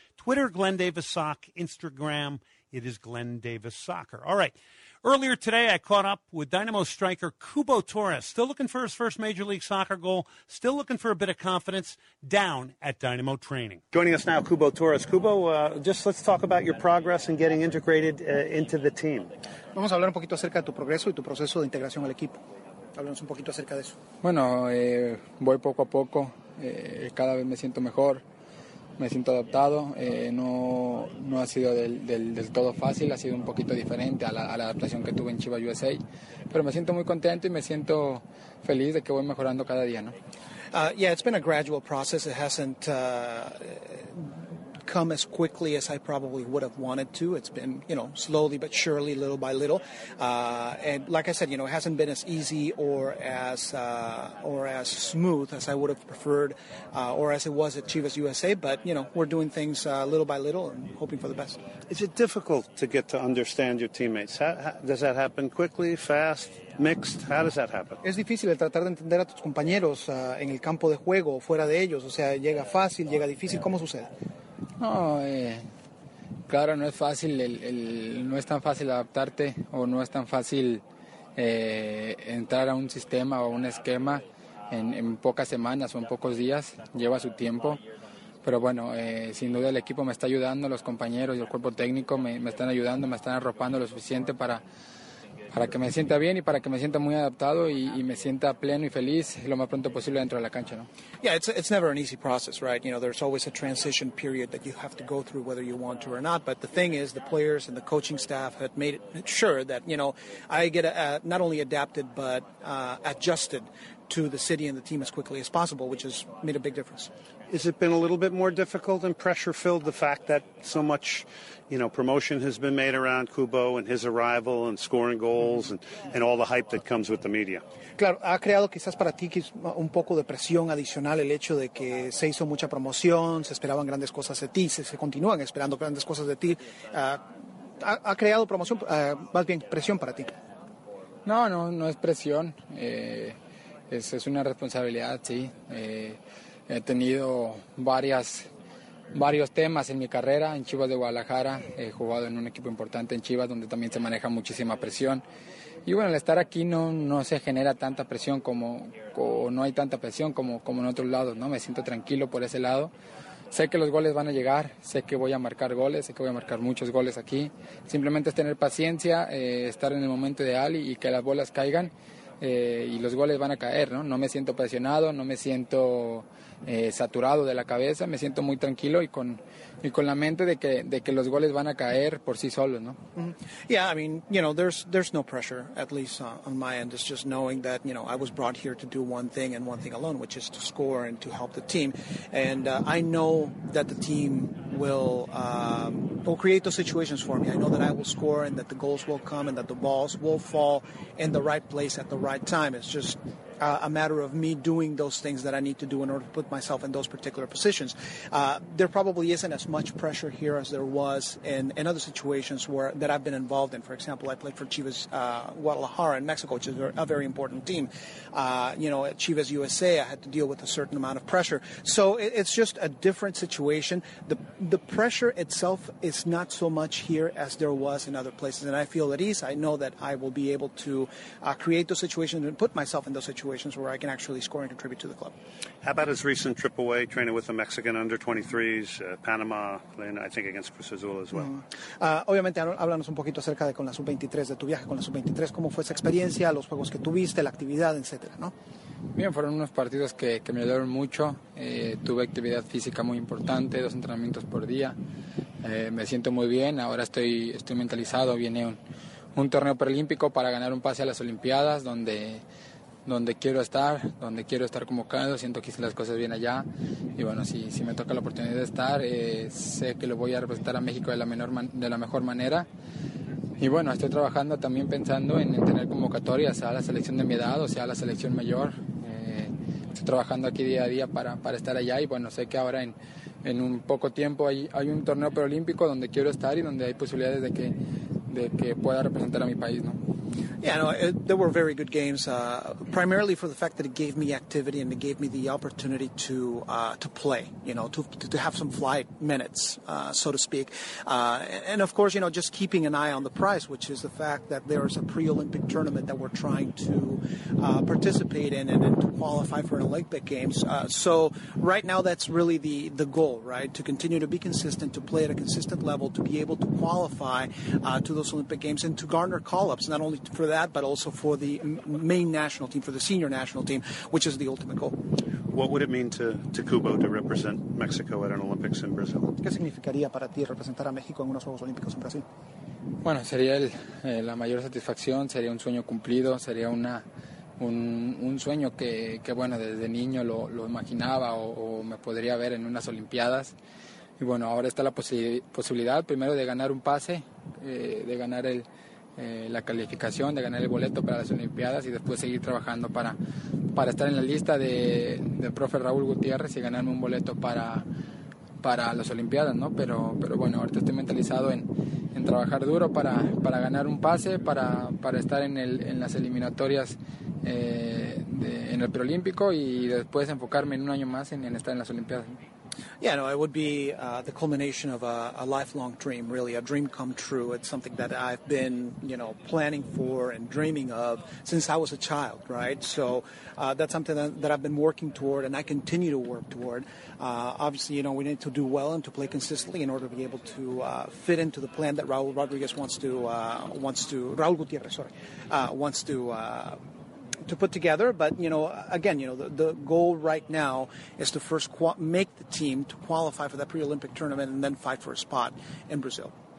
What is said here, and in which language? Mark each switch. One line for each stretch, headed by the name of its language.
English: Twitter, Glenn Davis Soc. Instagram, it is Glenn Davis Soccer. All right. Earlier today, I caught up with Dynamo striker Cubo Torres, still looking for his first Major League Soccer goal, still looking for a bit of confidence down at Dynamo Training. Joining us now, Cubo Torres. Cubo, just let's talk about your progress in getting integrated into the team.
Spanish: Vamos a hablar un poquito acerca de tu progreso y tu proceso de integración al equipo. Háblanos un poquito acerca de eso. Bueno, voy poco a poco. Cada vez me siento mejor. Me siento adaptado, no ha sido del todo fácil, ha sido un poquito diferente a la adaptación que tuve en Chivas USA, pero me siento muy contento y me siento feliz de que voy mejorando cada día, ¿no?
English: Yeah, it's been a gradual process. It hasn't come as quickly as I probably would have wanted to. It's been, you know, slowly but surely, little by little. And like I said, you know, it hasn't been as easy or as smooth as I would have preferred or as it was at Chivas USA. But, you know, we're doing things little by little and hoping for the best. Is it difficult to get to understand your teammates? Does that happen quickly, fast? Mixed. How does that happen?
Spanish: Es difícil el tratar de entender a tus compañeros en el campo de juego o fuera de ellos. O sea, llega fácil, llega difícil. ¿Cómo sucede? No, claro, no es fácil. No es tan fácil adaptarte o no es tan fácil entrar a un sistema o un esquema en pocas semanas o en pocos días. Lleva su tiempo. Pero bueno, sin duda el equipo me está ayudando, los compañeros y el cuerpo técnico me están ayudando, me están arropando lo suficiente para que me sienta bien y para que me sienta muy adaptado y me sienta pleno y feliz lo más pronto posible dentro de la cancha, ¿no?
English: Yeah, it's never an easy process, right? You know, there's always a transition period that you have to go through whether you want to or not. But the thing is, the players and the coaching staff have made it sure that, you know, I get not only adapted but adjusted to the city and the team as quickly as possible, which has made a big difference. Has it been a little bit more difficult and pressure-filled, the fact that so much, you know, promotion has been made around Cubo and his arrival and scoring goals and all the hype that comes with the media?
Spanish: Claro, ha creado quizás para ti un poco de presión adicional el hecho de que se hizo mucha promoción, se esperaban grandes cosas de ti, se continúan esperando grandes cosas de ti. Ha creado promoción, más bien presión para ti. No es presión. Es una responsabilidad, sí. He tenido varios temas en mi carrera en Chivas de Guadalajara. He jugado en un equipo importante en Chivas donde también se maneja muchísima presión. Y bueno, al estar aquí no se genera tanta presión como en otros lados, ¿no? Me siento tranquilo por ese lado. Sé que los goles van a llegar, sé que voy a marcar goles, sé que voy a marcar muchos goles aquí. Simplemente es tener paciencia, estar en el momento ideal y que las bolas caigan. Y los goles van a caer, ¿no? No me siento presionado, no me siento saturado de la cabeza, me siento muy tranquilo y con la mente de que los goles van a caer por sí solos, ¿no? Mm-hmm.
English: Yeah, I mean, you know, there's no pressure, at least on my end. It's just knowing that, you know, I was brought here to do one thing and one thing alone, which is to score and to help the team. And I know that the team will create those situations for me. I know that I will score and that the goals will come and that the balls will fall in the right place at the right time. It's just a matter of me doing those things that I need to do in order to put myself in those particular positions. There probably isn't as much pressure here as there was in other situations that I've been involved in. For example, I played for Chivas Guadalajara in Mexico, which is a very important team. You know, at Chivas USA, I had to deal with a certain amount of pressure. So it's just a different situation. The pressure itself is not so much here as there was in other places, and I feel at ease. I know that I will be able to create those situations and put myself in those situations where I can actually score and contribute to the club. How about his recent trip away, training with the Mexican under-23s, Panama, playing, I think, against Cruz Azul as well?
Spanish: Obviamente, háblanos un poquito acerca de con la sub-23, de tu viaje con la sub-23. ¿Cómo fue esa experiencia, los juegos que tuviste, la actividad, etcétera, ¿no? Bien, fueron unos partidos que me ayudaron mucho. Tuve actividad física muy importante, dos entrenamientos por día. Me siento muy bien. Ahora estoy mentalizado. Viene un torneo preolímpico para ganar un pase a las Olimpiadas, donde donde quiero estar convocado, siento que hice las cosas bien allá, y bueno, si me toca la oportunidad de estar, sé que lo voy a representar a México de la mejor manera, y bueno, estoy trabajando también pensando en tener convocatorias a la selección de mi edad, o sea, a la selección mayor. Estoy trabajando aquí día a día para estar allá, y bueno, sé que ahora en un poco tiempo hay un torneo preolímpico donde quiero estar y donde hay posibilidades de que pueda representar a mi país, ¿no?
English: Yeah, no, there were very good games, primarily for the fact that it gave me activity and it gave me the opportunity to play, you know, to have some flight minutes, so to speak. And of course, you know, just keeping an eye on the prize, which is the fact that there is a pre-Olympic tournament that we're trying to participate in and to qualify for an Olympic Games. So right now that's really the goal, right, to continue to be consistent, to play at a consistent level, to be able to qualify to those Olympic Games and to garner call-ups, not only for that, but also for the main national team, for the senior national team, which is the ultimate goal. What would it mean to Kubo to represent Mexico at an Olympics in Brazil?
Spanish: ¿Qué significaría para ti representar a México en unos Juegos Olímpicos en Brasil? Bueno, sería la mayor satisfacción, sería un sueño cumplido, sería un sueño que bueno, desde niño lo imaginaba o me podría ver en unas Olimpiadas. Y bueno, ahora está la posibilidad primero de ganar un pase, de ganar la calificación, de ganar el boleto para las Olimpiadas y después seguir trabajando para estar en la lista de profe Raúl Gutiérrez y ganarme un boleto para las Olimpiadas, ¿no? Pero bueno, ahorita estoy mentalizado en trabajar duro para ganar un pase, para estar en las eliminatorias en el preolímpico y después enfocarme en un año más en estar en las Olimpiadas.
English: Yeah, no, it would be the culmination of a lifelong dream, really, a dream come true. It's something that I've been, you know, planning for and dreaming of since I was a child, right? So that's something that I've been working toward and I continue to work toward. Obviously, you know, we need to do well and to play consistently in order to be able to fit into the plan that Raul Rodriguez wants to put together, but you know, again, you know, the goal right now is to first make the team to qualify for that pre-Olympic tournament and then fight for a spot in Brazil.